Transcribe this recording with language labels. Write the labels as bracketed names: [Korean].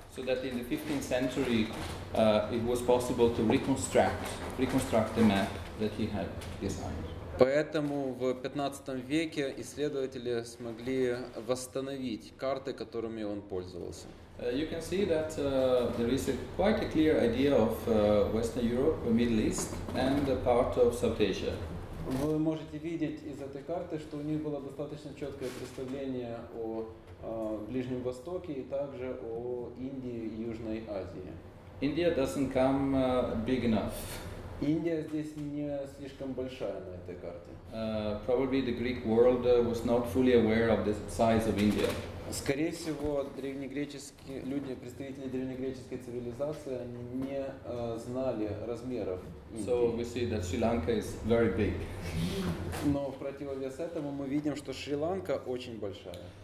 [English] So that in the 15th century it was possible to reconstruct the map that he had designed. [Russian] Поэтому в 15 веке исследователи смогли восстановить карты, которыми он пользовался. [English] You can see that there is quite a clear idea of Western Europe, Middle East and a part of South Asia. [Russian] Вы можете видеть из этой карты, что у них было достаточно четкое представление о Ближнем Востоке и также о Индии и Южной Азии. [English] India doesn't come big enough. [Russian] Индия здесь не слишком большая на этой карте. [English] Probably the Greek world was not fully aware of the size of India. [Russian] Скорее всего, древнегреческие люди, представители древнегреческой цивилизации, они не знали размеров Индии. [English] So we see that Sri Lanka is very big. [Russian] Но в противовес этому мы видим, что Шри-Ланка очень большая.